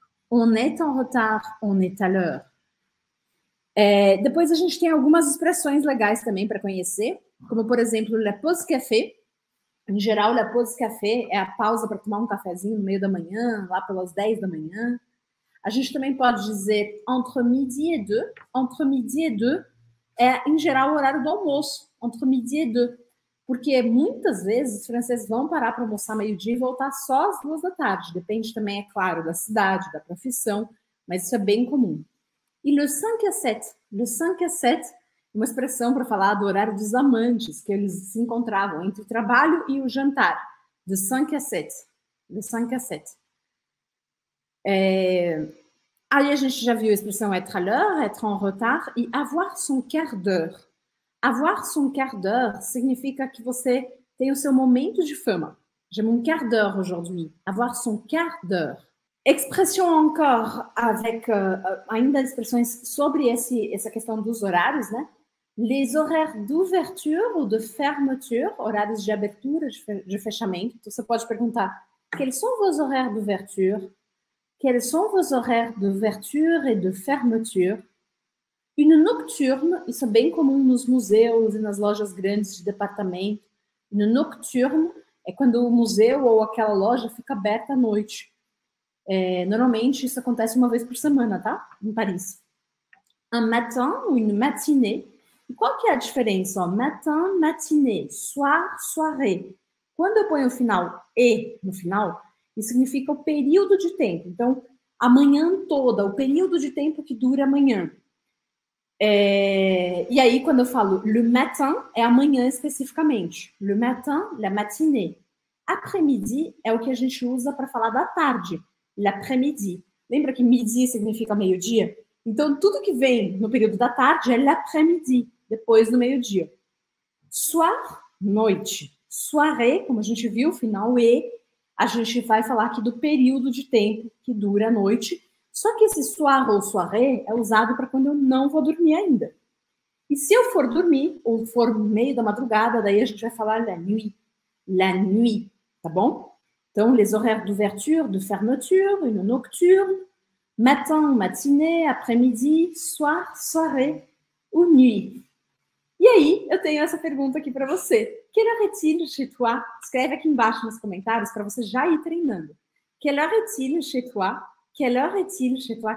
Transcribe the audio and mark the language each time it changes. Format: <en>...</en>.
<fr>On est en retard, on est à l'heure.</fr> <pt>É, depois a gente tem algumas expressões legais também para conhecer, como por exemplo,</pt> <fr>la pause café.</fr> <pt>Em geral,</pt> <fr>la pause café</fr> <pt>é a pausa para tomar um cafezinho no meio da manhã, lá pelas 10 da manhã. A gente também pode dizer</pt> <fr>entre midi et deux. Entre midi et deux</fr> <pt>é, em geral, o horário do almoço. Entre midi et deux. Porque muitas vezes os franceses vão parar para almoçar meio-dia e voltar só às 2 da tarde. Depende também, é claro, da cidade, da profissão, mas isso é bem comum. E</pt> <fr>le 5 à 7. Le 5 à 7</fr> <pt>é uma expressão para falar do horário dos amantes, que eles se encontravam entre o trabalho e o jantar.</pt> <fr>Le 5 à 7. Le 5 à 7.</fr> <pt>Aí a gente já viu a expressão</pt> <fr>être à l'heure, être en retard</fr> <pt>e</pt> <fr>avoir son quart d'heure. Avoir son quart d'heure</fr> <pt>significa que você tem o seu momento de fama.</pt> <fr>J'ai mon quart d'heure aujourd'hui. Avoir son quart d'heure. Expression encore avec</fr> <pt>ainda expressões sobre essa questão dos horários, né?</pt> <fr>Les horaires d'ouverture ou de fermeture,</fr> <pt>horários de abertura, de fechamento. Então, você pode perguntar:</pt> <fr>quels sont vos horaires d'ouverture? Quels sont vos horaires d'ouverture et de fermeture?</fr> <pt>Une nocturne, isso é bem comum nos museus e nas lojas grandes de departamento. Une nocturne é quando o museu ou aquela loja fica aberta à noite. É, normalmente isso acontece uma vez por semana, tá? Em Paris.</pt> <fr>Un matin ou une matinée.</fr> <pt>E qual que é a diferença?</pt> <fr>Matin, matinée, soir, soirée.</fr> <pt>Quando eu ponho o final e no final, isso significa o período de tempo. Então, amanhã toda, o período de tempo que dura amanhã. É, e aí, quando eu falo</pt> <fr>le matin,</fr> <pt>é amanhã especificamente.</pt> <fr>Le matin, la matinée.</fr> <pt>Après-midi é o que a gente usa para falar da tarde. L'après-midi. Lembra que midi significa meio-dia? Então, tudo que vem no período da tarde é</pt> <fr>l'après-midi,</fr> <pt>depois do meio-dia. Soir, noite. Soirée, como a gente viu, final e, a gente vai falar aqui do período de tempo que dura a noite. Só que esse soir ou soirée é usado para quando eu não vou dormir ainda. E se eu for dormir, ou for no meio da madrugada, daí a gente vai falar</pt> <fr>la nuit. La nuit,</fr> <pt>tá bom? Então,</pt> <fr>les horaires d'ouverture, de fermeture, une nocturne, matin, matinée, après-midi, soir, soirée ou nuit.</fr> <pt>E aí, eu tenho essa pergunta aqui para você.</pt> <fr>Quelle heure est-il chez toi?</fr> <pt>Escreve aqui embaixo nos comentários para você já ir treinando.</pt> <fr>Quelle heure est-il chez toi? Quelle heure est-il chez toi?</fr>